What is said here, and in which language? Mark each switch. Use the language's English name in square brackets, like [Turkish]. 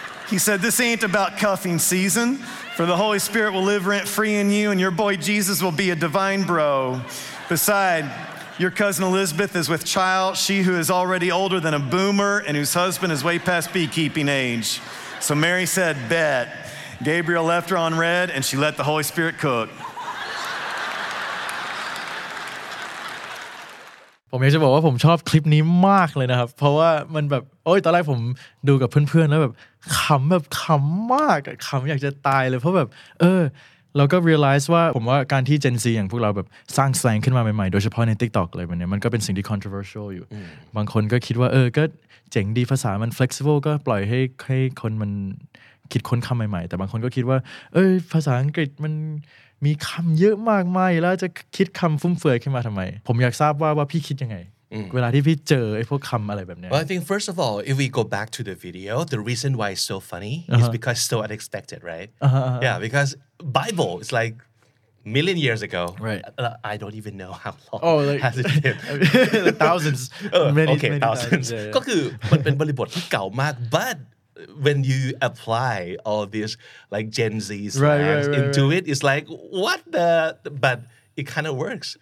[English] He said, this ain't about cuffing season, for the Holy Spirit will live rent-free in you, and your boy Jesus will be a divine bro. Beside, your cousin Elizabeth is with child, she who is already older than a boomer and whose husband is way past beekeeping age. So Mary said, bet. Gabriel left her on red and she let the Holy Spirit cook. [Thai] ผมอยากจะบอกว่าผมชอบคลิปนี้มากเลยนะครับเพราะว่ามันแบบโอ้ยตอนแรกผมดูกับเพื่อนๆแล้วแบบขำมากขำอยากจะตายเลยเพราะแบบ เราก็ realize ว่าผมว่าการที่ Gen Z อย่างพวกเราแบบสร้างแสลงขึ้นมาใหม่ๆโดยเฉพาะใน TikTok อะไรแบบนี้มันก็เป็นสิ่งที่ controversial อยู่บางคนก็คิดว่าเออก็เจ๋งดีภาษามัน flexible ก็ปล่อยให้คนมันคิดค้นคำใหม่ๆแต่บางคนก็คิดว่าเอ้ยภาษาอังกฤษมันมีคำเยอะมากมายแล้วจะคิดคำฟุ่มเฟือยขึ้นมาทำไมผมอยากทราบว่าพี่คิดยังไงเวลาที่พี่เจอไอ้พวกคำอะไรแบบนี้ [English] Well, I think first of all if we go back to the video the reason why it's so funny is because so unexpected right yeah because Bible it's like million years ago right I don't even know how long oh, like, has it been thousands many, okay many thousands [Thai] ก็คือมันเป็นบริบทที่เก่ามาก [English] but when you apply all these like Gen Z slangs into it it's like what the butIt kind of works.